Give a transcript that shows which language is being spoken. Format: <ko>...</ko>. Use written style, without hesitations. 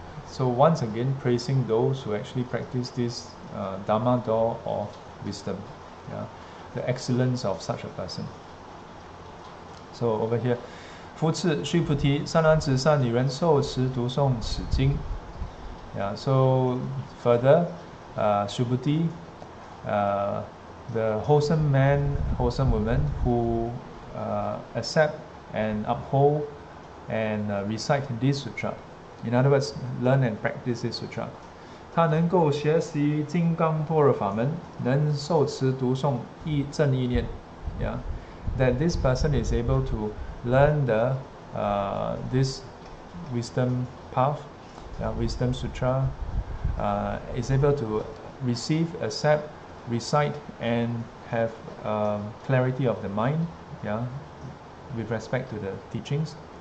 <en>So once again, praising those who actually practice this Dharma door of wisdom. The excellence of such a person. So over here.</en> <zh>复次，须菩提，善男子、善女人受持读诵此经。</zh> <en>So further, Subhuti, the wholesome man, wholesome woman who accept and uphold and recite this sutra. In other words, learn and practice this sutra.</en> <zh>他能够学习金刚般若法门，能受持读诵正意念。</zh> <en>That this person is able to learn the this wisdom path, wisdom sutra, is able to receive, accept, recite, and have clarity of the mind, with respect to the teachings.</en>